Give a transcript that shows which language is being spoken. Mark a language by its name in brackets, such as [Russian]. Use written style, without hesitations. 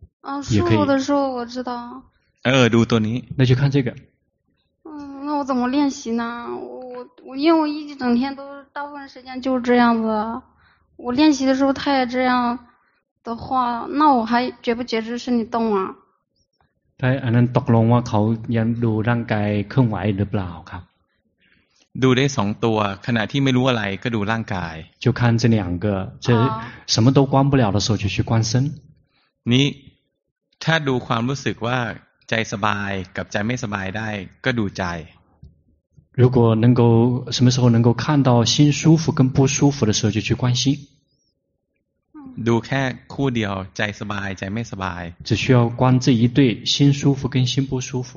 [Chinese] 啊，舒服的时候我知道读多尼那就看这个那我怎么练习呢我因为我一整天都大部分时间就是这样子我练习的时候他也这样的话那我还觉不觉知身体动啊 [Thai] 他อันนั้นตกลงว่าเขายังดูร่างกายเคลื่อนไหวหรือเปล่าครับ ดูได้สองตัวขณะที่ไม่รู้อะไรก็ดูร่างกาย [Chinese] 就看这两个这什么都关不了的时候就去观身 [Thai] นี่ถ้าดูความรู้สึกว่าใจสบายกับใจไม่สบายได้ก็ดูใจ [Chinese] 如果能够什么时候能够看到心舒服跟不舒服的时候就去观心 [Thai] ดูแค่คู่เดียวใจสบายใจไม่สบาย [Chinese] 只需要观这一对心舒服跟心不舒服